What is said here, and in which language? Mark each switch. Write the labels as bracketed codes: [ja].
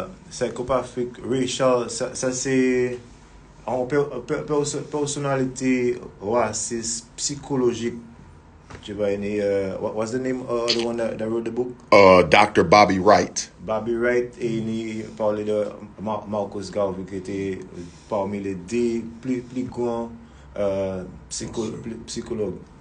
[en] Psychopathic racial, [fr] ça c'est en personnalité raciste psychologique. Tu vois, [en] what was the name of the one that wrote the book? Dr. Bobby Wright. [fr] Bobby Wright, et il parlait de Marcus Garvey, qui était parmi les deux plus grands psychologues.